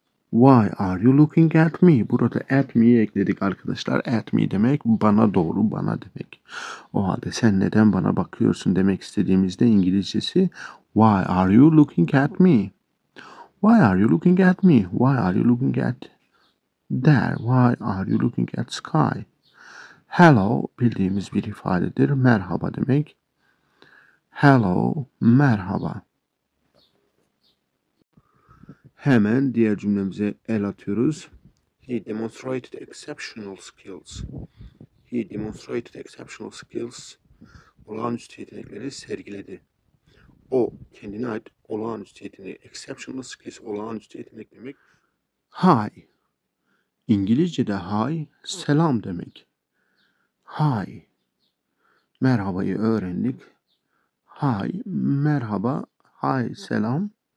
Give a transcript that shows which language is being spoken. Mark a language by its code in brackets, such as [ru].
[en] Why are you looking at me? [tr] Burada at me'yi ekledik arkadaşlar. At me demek bana doğru, bana demek. O halde sen neden bana bakıyorsun demek istediğimizde İngilizcesi [en] Why are you looking at me? Why are you looking at me? Why are you looking at there? Why are you looking at sky? [tr] Hello bildiğimiz bir ifadedir. Merhaba demek. Hello, merhaba. Hemen diğer cümlemize el atıyoruz. [en] He demonstrated exceptional skills. He demonstrated exceptional skills. [tr] Olağanüstü yetenekleri sergiledi. O kendine ait olağanüstü yeteneği. Exceptional skills, olağanüstü yetenek demek. [en] Hi. [tr] İngilizce'de hi, selam demek. Hi. Merhabayı öğrendik. Hi, merhaba. Hi, selam.